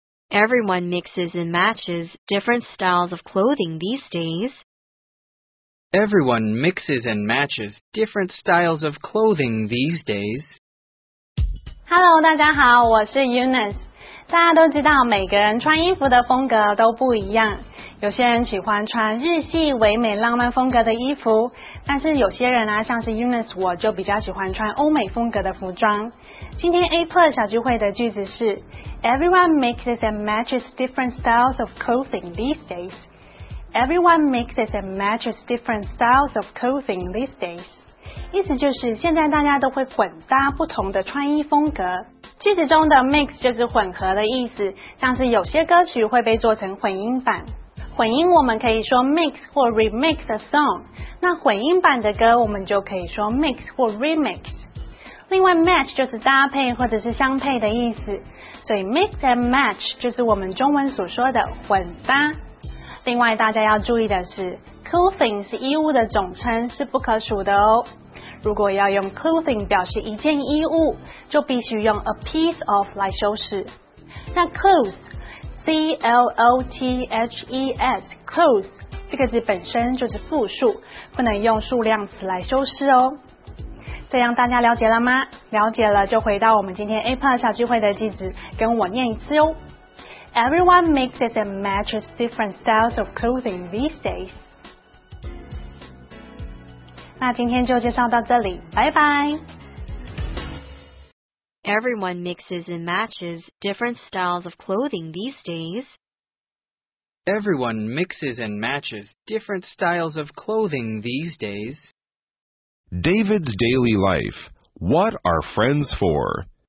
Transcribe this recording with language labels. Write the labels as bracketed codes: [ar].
[en] Everyone mixes and matches different styles of clothing these days. Everyone mixes and matches different styles of clothing these days. [zh] Hello, 大家好，我是 Eunice。大家都知道，每个人穿衣服的风格都不一样。有些人喜欢穿日系唯美浪漫风格的衣服，但是有些人啊，像是 Eunice 我就比较喜欢穿欧美风格的服装。今天 A Plus 小聚会的句子是 ： [en] Everyone mixes and matches different styles of clothing these days. Everyone mixes and matches different styles of clothing these days. [zh] 意思就是现在大家都会混搭不同的穿衣风格。句子中的 mix 就是混合的意思，像是有些歌曲会被做成混音版。混音我们可以说 mix 或 [en] remix a song， [zh] 那混音版的歌我们就可以说 mix 或 remix。另外 match 就是搭配或者是相配的意思，所以 mix and match 就是我们中文所说的混搭。另外大家要注意的是， clothing 是衣物的总称，是不可数的哦。如果要用 clothing 表示一件衣物，就必须用 a piece of 来修饰。那 clothesClothes, clothes 这个字本身就是复数，不能用数量词来修饰哦。这样大家了解了吗？了解了就回到我们今天 A-Plus 小聚会的句子，跟我念一次哦。 [en] Everyone mixes and matches different styles of clothing these days. [zh] 那今天就介绍到这里，拜拜。 [en] Everyone mixes and matches different styles of clothing these days. Everyone mixes and matches different styles of clothing these days. David's Daily Life. What are friends for?